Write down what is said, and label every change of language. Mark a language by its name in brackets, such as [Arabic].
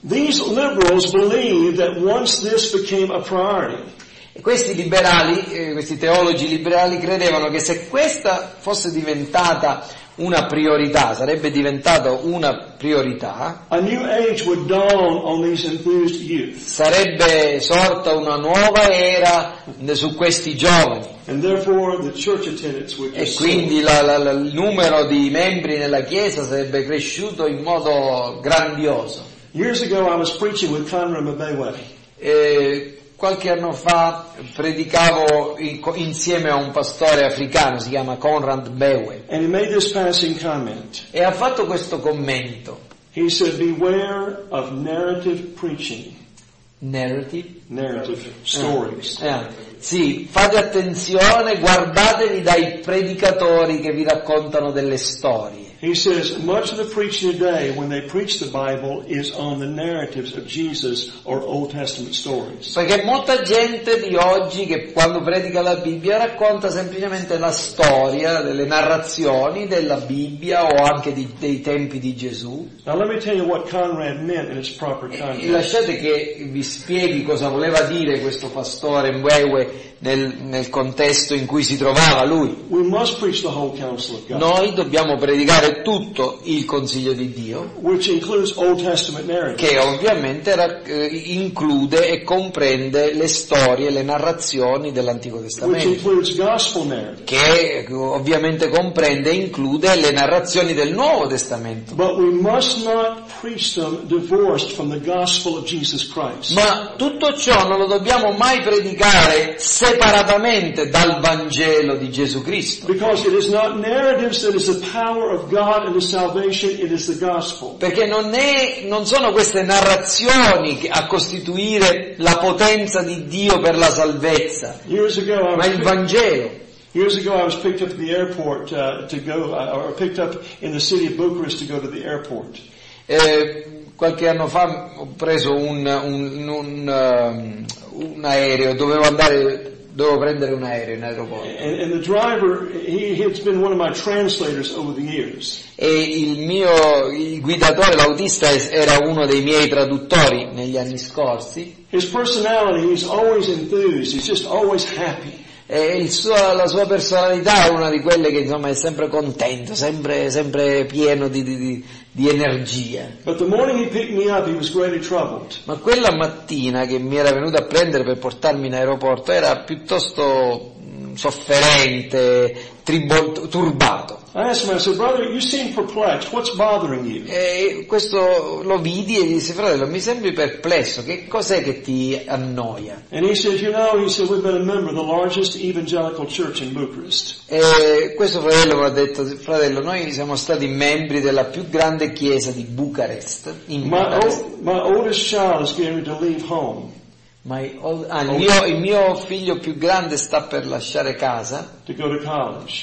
[English] These liberals believed that once this became a priority, [Italian] questi liberali, questi teologi liberali credevano che se questa fosse diventata una priorità, sarebbe diventata una priorità, [English] a new age would dawn on these enthused youth. [Italian] Sarebbe sorta una nuova era su questi giovani. [English] And therefore the church attendance would [Italian] e quindi il numero di membri nella chiesa sarebbe cresciuto in modo grandioso. [English] Years ago I was preaching with Conrad Mbewe. [Italian] Qualche anno fa predicavo insieme a un pastore africano, si chiama Conrad Mbewe. [English] And he made this passing comment. [Italian] E ha fatto questo commento. [English] He said, "Beware of narrative preaching." Narrative? Narrative stories. [Italian] Sì, fate attenzione, guardatevi dai predicatori che vi raccontano delle storie. [English] He says much of the preaching today when they preach the Bible is on the narratives of Jesus or Old Testament stories. [Italian] Perché molta gente di oggi che quando predica la Bibbia racconta semplicemente la storia delle narrazioni della Bibbia o anche dei tempi di Gesù. [English] Now let me tell you what Conrad meant in its proper context. [Italian] E lasciate che vi spieghi cosa voleva dire questo pastore Mbewe nel contesto in cui si trovava lui. [English] We must preach the whole counsel of God. [Italian] Noi dobbiamo predicare tutto il consiglio di Dio, [English] which includes Old Testament narratives, [Italian] che ovviamente include e comprende le storie, le narrazioni dell'Antico Testamento, [English] which includes gospel narratives, [Italian] che ovviamente comprende e include le narrazioni del Nuovo Testamento. [English] But we must not preach them divorced from the gospel of Jesus Christ. [Italian] Ma tutto ciò non lo dobbiamo mai predicare separatamente dal Vangelo di Gesù Cristo, [English] because it is not narratives that is the power of God and the salvation, it is the gospel. [Italian] Perché non sono queste narrazioni a costituire la potenza di Dio per la salvezza, ma il Vangelo. [English] Years ago I was picked up at the airport in the city of Bucharest to go to the airport. [Italian] Qualche anno fa ho preso un aereo, dovevo prendere un aereo in aeroporto. [English] And the driver, he's been one of my translators over the years. [Italian] E il guidatore, l'autista, era uno dei miei traduttori negli anni scorsi. [English] His personality, he's always enthused, he's just always happy. [Italian] E la sua personalità è una di quelle che insomma è sempre contento, sempre pieno di energia. [English] But the morning he picked me up, he was greatly troubled. [Italian] Ma quella mattina che mi era venuto a prendere per portarmi in aeroporto era piuttosto sofferente, turbato. [English] I asked him, I said, "Brother, you seem perplexed. What's bothering you?" [Italian] E questo lo vidi e gli disse: "Fratello, mi sembri perplesso. Che cos'è che ti annoia?" [English] And he said, "You know," he said, "we've been a member of the largest evangelical church in Bucharest." [Italian] E questo fratello mi ha detto: "Fratello, noi siamo stati membri della più grande chiesa di Bucarest in Bucarest." [English] My oldest child is getting to leave home. [Italian] Il mio figlio più grande sta per lasciare casa [English] to go to college,